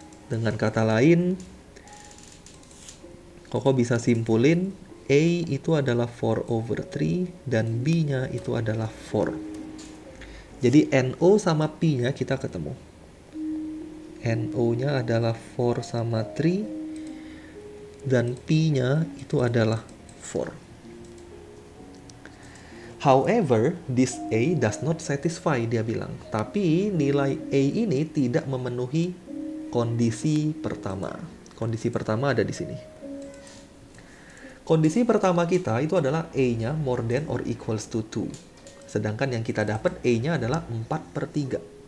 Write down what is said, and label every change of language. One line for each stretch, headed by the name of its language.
Indonesian: Dengan kata lain, Koko bisa simpulin A itu adalah 4 over 3 dan B-nya itu adalah 4. Jadi NO sama P-nya kita ketemu. NO-nya adalah 4 sama 3 dan P-nya itu adalah 4.
English: However, this A does not satisfy,
Indonesian: dia bilang. Tapi nilai A ini tidak memenuhi kondisi pertama. Kondisi pertama ada di sini. Kondisi pertama kita itu adalah A-nya
English: more than or equals to 2.
Indonesian: Sedangkan yang kita dapat A-nya adalah 4 per 3.